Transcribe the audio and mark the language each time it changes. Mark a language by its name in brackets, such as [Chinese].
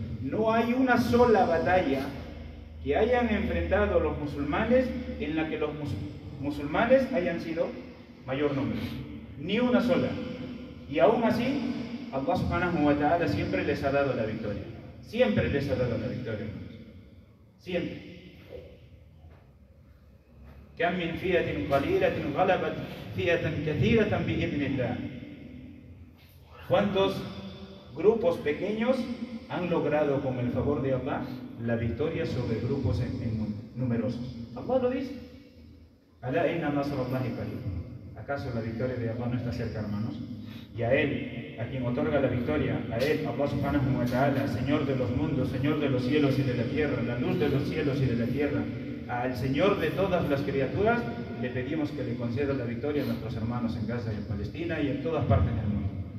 [Spanish] No hay una sola batalla que hayan enfrentado los musulmanes en la que los musulmanes hayan sido mayor número. Ni una sola. Y aún así, Allah subhanahu wa ta'ala siempre les ha dado la victoria. Siempre les ha dado la victoria, hermanos. Siempre. [Arabic] كم من فئة قليلة غلبت فئة كثيرة بإذن الله. [Spanish] ¿Cuántos grupos pequeños han logrado con el favor de Allah la victoria sobre grupos numerosos? Allah lo dice. Alá [Arabic] inna nasrallahi qarib. [Spanish] ¿Acaso la victoria de Allah no está cerca, hermanos? Y a Él, a quien otorga la victoria, a Él, Allah subhanahu wa ta'ala, Señor de los mundos, Señor de los cielos y de la tierra, la luz de los cielos y de la tierra, al Señor de todas las criaturas, le pedimos que le conceda la victoria a nuestros hermanos en Gaza y en Palestina y en todas partes del mundo.